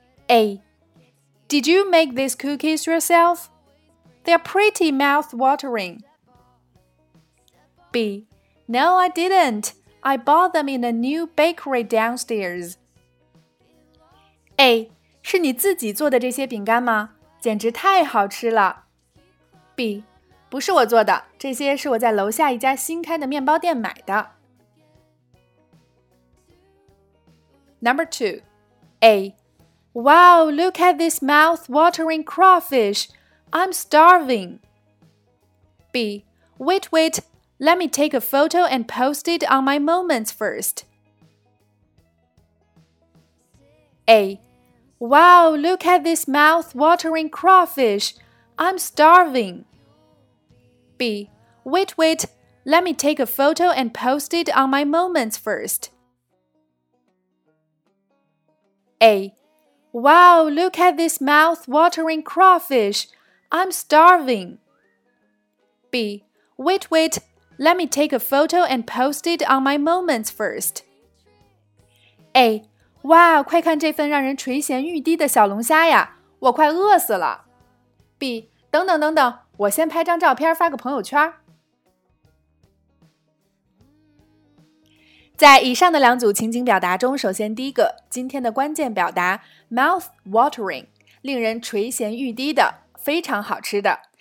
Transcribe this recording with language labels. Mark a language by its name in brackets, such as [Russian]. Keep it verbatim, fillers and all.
[English] A. Did you make these cookies yourself? They're pretty mouth-watering. B. No, I didn't. I bought them in a new bakery downstairs. A. [Chinese] 是你自己做的这些饼干吗？简直太好吃了。B. 不是我做的，这些是我在楼下一家新开的面包店买的。 [English] Number two, A. Wow, look at this mouth-watering crawfish. I'm starving. B. Wait, wait, let me take a photo and post it on my Moments first. A. Wow, look at this mouth-watering crawfish. I'm starving. B. Wait, wait, let me take a photo and post it on my Moments first. A. Wow, look at this mouth-watering crawfish. I'm starving. B. Wait, wait, let me take a photo and post it on my Moments first. A. [Chinese] 哇、wow, 快看这份让人垂涎欲滴的小龙虾呀，我快饿死了。 [English] B. [Chinese] 等等等等，我先拍张照片发个朋友圈。在以上的两组情景表达中，首先第一个，今天的关键表达 mouth watering， 令人垂涎欲滴的，非常好吃的。